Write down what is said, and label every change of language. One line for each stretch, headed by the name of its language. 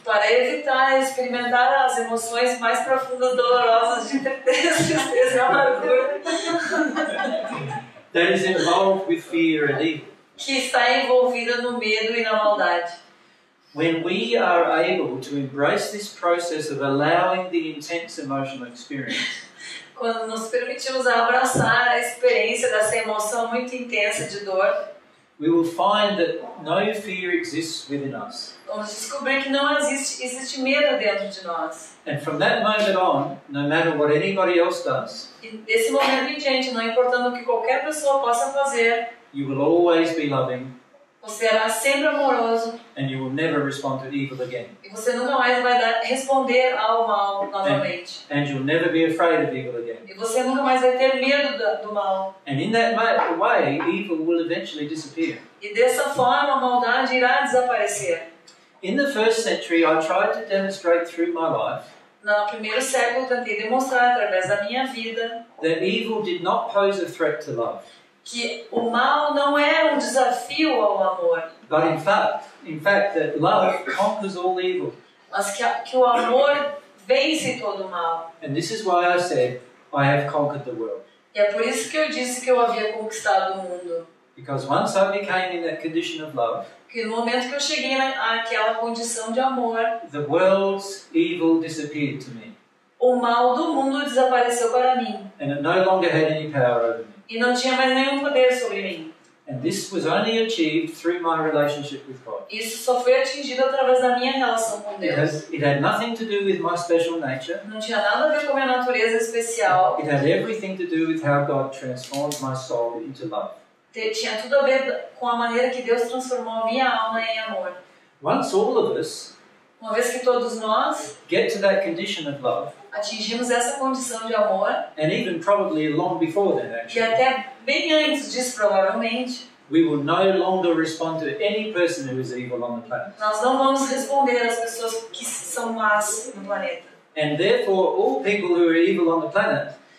Portuguese: Para evitar experimentar as emoções mais profundas e dolorosas de tristeza e amargura.
English: That is involved with fear and evil.
Portuguese: Que está envolvida no medo e na maldade.
English: When we are able to embrace this process of allowing the intense emotional experience.
Portuguese: Quando nos permitimos abraçar a experiência dessa emoção muito intensa de dor.
English: We will find that no fear exists within us.
Portuguese: Vamos descobrir que não existe medo dentro de nós.
English: And from that moment on, no matter what anybody else does.
Portuguese: Desse momento em diante, não importando o que qualquer pessoa possa fazer.
English: You will always be loving.
Portuguese: Você será sempre amoroso.
English: And you will never respond to evil again.
Portuguese: E você nunca mais vai responder ao mal novamente.
English: And you'll never be afraid of evil again.
Portuguese: E você nunca mais vai ter medo do mal.
English: And in that way, evil will eventually disappear.
Portuguese: E dessa forma, a maldade irá desaparecer.
English: In the first century, I tried to demonstrate through my life.
Portuguese: No primeiro século, tentei demonstrar através da minha vida.
English: That evil did not pose a threat to love.
Portuguese: Que o mal não era um desafio ao amor.
English: But in fact, that love conquers all evil.
Portuguese: Mas que o amor vence todo o mal.
English: And this is why I said, I have conquered the world.
Portuguese: E é por isso que eu disse que eu havia conquistado o mundo.
English: Because once I became in that condition of love,
Portuguese: que no momento que eu cheguei àquela condição de amor,
English: the world's evil disappeared to me.
Portuguese: O mal do mundo desapareceu para mim.
English: And it no longer had any power over me.
Portuguese: E não tinha mais nenhum poder sobre mim.
English: And this was only achieved through my relationship with God.
Portuguese: Isso só foi atingido através da minha relação com Deus.
English: It had nothing to do with my special nature.
Portuguese: Não tinha nada a ver com a minha natureza especial.
English: It had everything to do with how God transformed my soul into love.
Portuguese: Tinha tudo a ver com a maneira que Deus transformou a minha alma em amor.
English: Once all of us,
Portuguese: uma vez que todos nós,
English: get to that condition of love,
Portuguese: atingimos essa condição de amor,
English: and even probably long before that, actually,
Portuguese: que até bem antes disso, provavelmente,
English: we will no longer respond to any person who is evil on the planet.
Portuguese: Nós não vamos responder às pessoas que são más no planeta.
English: And therefore, all people who are evil on the planet,